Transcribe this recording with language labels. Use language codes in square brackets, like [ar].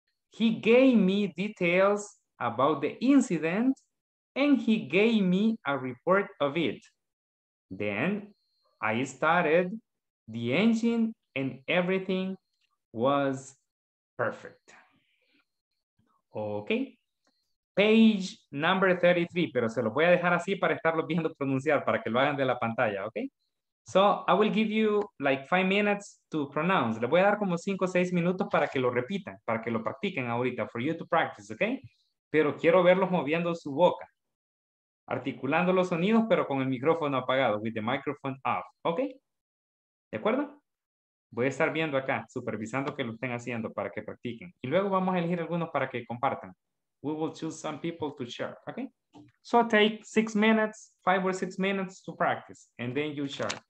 [en] He gave me details about the incident and he gave me a report of it. Then I started the engine and everything was perfect. Okay. Page number 33, [es] pero se lo voy a dejar así para estarlo viendo pronunciar, para que lo hagan de la pantalla, okay? [en] So I will give you like 5 minutes to pronounce. [es] Le voy a dar como 5 o 6 minutos para que lo repitan, para que lo practiquen ahorita, [en] for you to practice, [es] okay? Pero quiero verlos moviendo su boca, articulando los sonidos, pero con el micrófono apagado, [en] with the microphone off, [es] okay? ¿De acuerdo? Voy a estar viendo acá, supervisando que lo estén haciendo para que practiquen. Y luego vamos a elegir algunos para que compartan. [en] We will choose some people to share, okay? So take 6 minutes, 5 or 6 minutes to practice, and then you share.